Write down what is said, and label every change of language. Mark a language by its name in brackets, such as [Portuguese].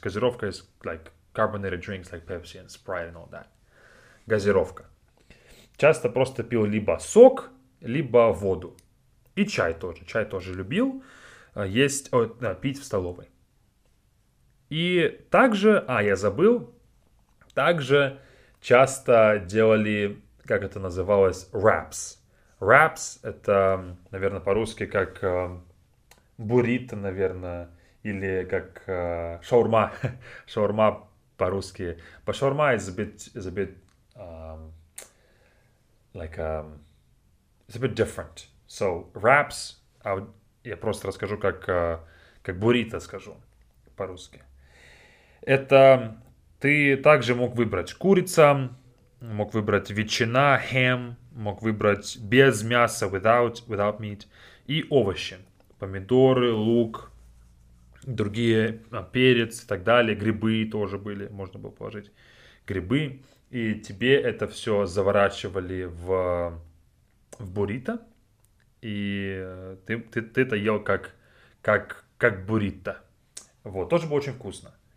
[English] Газировка is like carbonated drinks, like Pepsi and Sprite and all that. [Russian] Газировка. Часто просто пил либо сок, либо воду. И чай тоже. Чай тоже любил пить в столовой. И также, я забыл, также часто делали, как это называлось, wraps. Wraps — это, наверное, по-русски как буррито, наверное, или как шаурма. Шаурма по-русски. [English] But шаурма is a bit it's a bit different. So wraps, [Russian] я просто расскажу, как буррито скажу по-русски. Это ты также мог выбрать курица, мог выбрать ветчина, ham, мог выбрать без мяса, [English] without meat, [Russian] и овощи, помидоры, лук, другие, перец и так далее, грибы тоже были, можно было положить грибы, и тебе это все заворачивали в буррито, и ты это ел как буррито, вот, тоже было очень вкусно.